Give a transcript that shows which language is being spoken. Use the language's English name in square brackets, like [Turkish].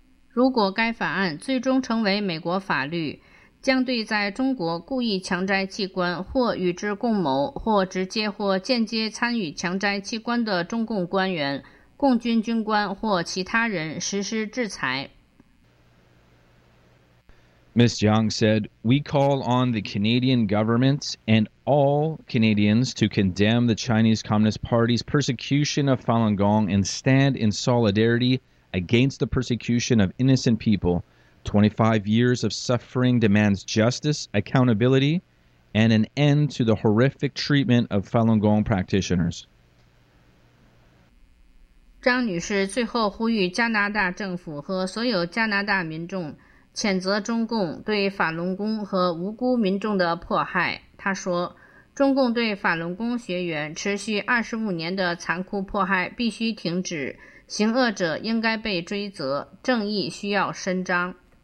[Chinese] 如果该法案最终成为美国法律，将对在中国故意强摘器官或与之共谋或直接或间接参与强摘器官的中共官员、共军军官或其他人实施制裁。 [English] Ms. Jiang said, We call on the Canadian government and all Canadians to condemn the Chinese Communist Party's persecution of Falun Gong and stand in solidarity against the persecution of innocent people. 25 years of suffering demands justice, accountability, and an end to the horrific treatment of Falun Gong practitioners. [Chinese] 张女士最后呼吁加拿大政府和所有加拿大民众谴责中共对法轮功和无辜民众的迫害。她说，中共对法轮功学员持续25年的残酷迫害必须停止，行恶者应该被追责，正义需要伸张。